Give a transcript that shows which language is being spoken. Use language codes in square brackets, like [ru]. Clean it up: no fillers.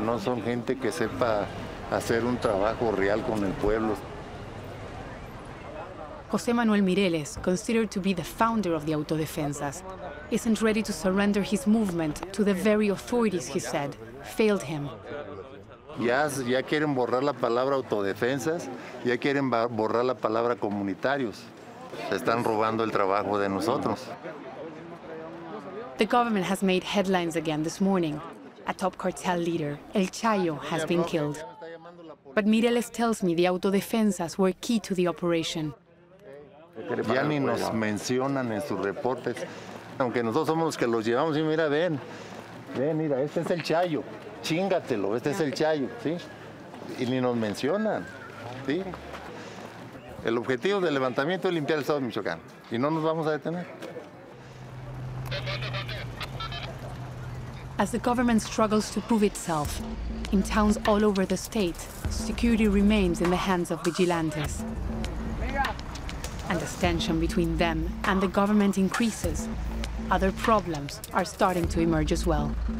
[es] No son gente que sepa hacer un trabajo real con el pueblo. [en] José Manuel Mireles, considered to be the founder of the autodefensas, isn't ready to surrender his movement to the very authorities, he said, failed him. [es] Ya quieren borrar la palabra autodefensas, ya quieren borrar la palabra comunitarios. Se están robando el trabajo de nosotros. [en] The government has made headlines again this morning. A top cartel leader, El Chayo, has been killed. But Mireles tells me the autodefensas were key to the operation. [es] Ya ni nos mencionan en sus reportes, aunque nosotros somos los que los llevamos. Y mira, ven, ven, mira, este es El Chayo. Chíngatelo, este es El Chayo, ¿sí? Y ni nos mencionan, ¿sí? El objetivo del levantamiento es limpiar el estado de Michoacán. Y no nos vamos a detener. [en] As the government struggles to prove itself, in towns all over the state, security remains in the hands of vigilantes. And as tension between them and the government increases, other problems are starting to emerge as well.